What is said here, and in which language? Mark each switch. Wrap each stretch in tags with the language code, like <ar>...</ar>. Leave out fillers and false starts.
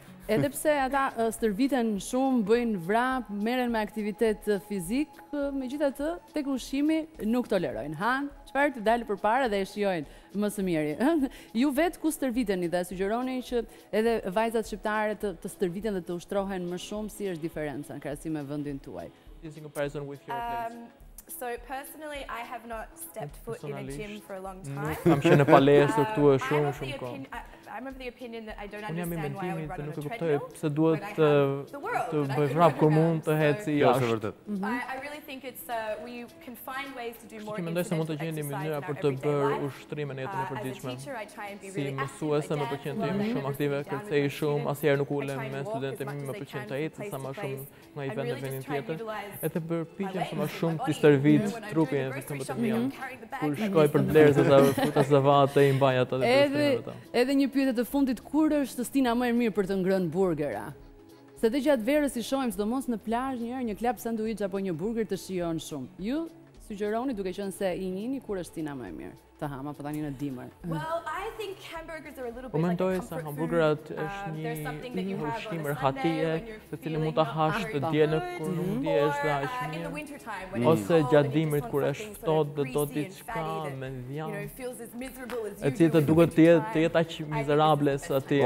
<sq>Edhe pse ata stërviten shumë, bëjnë vrap, merren me aktivitet fizik, megjithatë tek ushqimi nuk tolerojnë. Han, çfarë të dalë përpara dhe e shijojnë më së miri. Ju vet ku stërviteni dhe sugjeroni që edhe vajzat shqiptare të stërviten dhe të ushtrohen më shumë, si është diferenca krahasim me vendin tuaj?</sq> <en>In comparison with your place. So personally I have not stepped foot in a gym for a long time.</en> <sq>Kam qenë në palestër këtu shumë kohë.</sq> <en>I'm of the opinion that I don't understand why I would run on a treadmill.</en> <sq>Nuk e kuptoj pse duhet të bëj vrap kur mund të heci jashtë.</sq> <en>I really think it's we can find ways to do more.</en> <sq>Ti mendoj se mund të gjeni mënyra për të bërë ushtrimin në jetën e përditshme. Si mësuesë më pëlqen të jem shumë aktive, kërcej shumë, asnjëherë nuk ulem me studentët, më pëlqen të ecë sa më shumë nga një vend në vend tjetër. Edhe përpiqem sa më shumë të stërvit trupin edhe këmbët e mia. Kur shkoj për blerë sa futa savate i mbaj ato edhe një pyetje të fundit, kur është stina më e mirë për të ngrënë burgera? Se të gjatë verës i shohim, sidomos në plazh, njëherë një klap sanduiç apo një burger të shijon shumë. Ju sugjeroni, duke qenë se i njihni, kur është stina më e mirë të ham apo tani në dimër?</sq> <en>Well, I think hamburgers are a little bit like a comfort food.</en> <sq>Mendoj se hamburgerat është një ushqim rrahatie, të cilin mund ta hash të dielën kur nuk ndihesh aq mirë. Ose gjatë dimrit kur është ftohtë dhe do diçka me dhjam. E cilë të duket të jetë aq mizerable sa ti.</sq>